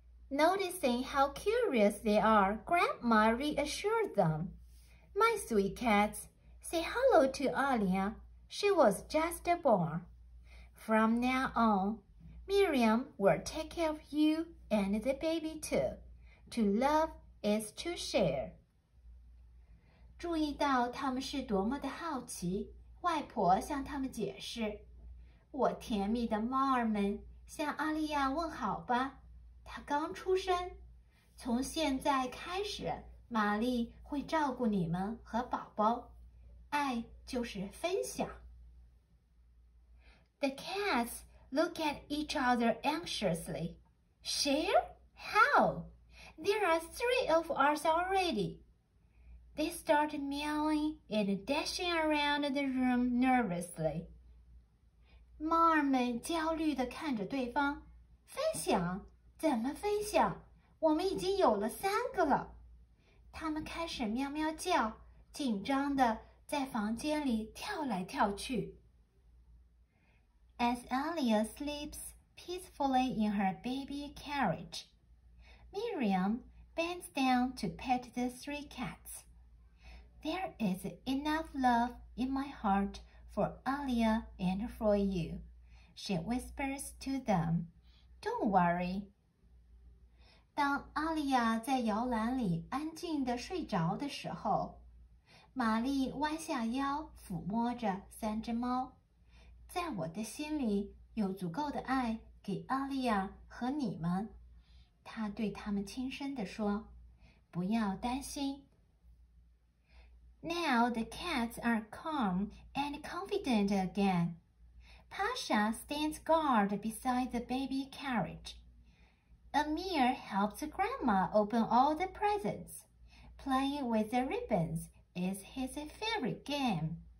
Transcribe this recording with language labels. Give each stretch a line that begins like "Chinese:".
English: Noticing how curious they are, Grandma reassured them. My sweet cats, say hello to Alya. She was just born. From now on, Miriam will take care of you and the baby too. To love is to share.
Chinese: 注意到他们是多么的好奇，外婆向他们解释：我甜蜜的猫儿们向阿莉亚问好吧。她刚出生，从现在开始，玛丽会照顾你们和宝宝。爱就是分享。
English: The cats look at each other anxiously. Share? How? There are three of us already. They start meowing and dashing around the room nervously.
Chinese: 猫儿们焦虑地看着对方。分享？怎么分享？我们已经有了三个了。他们开始喵喵叫，紧张地在房间里跳来跳去。
English: As Alya sleeps peacefully in her baby carriage, Miriam bends down to pet the three cats. There is enough love in my heart for Alya and for you, she whispers to them. Don't worry.
Chinese: 当 Alya 在摇篮里安静地睡着的时候，玛丽弯下腰抚摸着三只猫。在我的心里有足够的爱给阿莉亚和你们，她对他们轻声地说，不要担心。
English: Now the cats are calm and confident again. Pasha stands guard beside the baby carriage. Amir helps grandma open all the presents. Playing with the ribbons is his favorite game.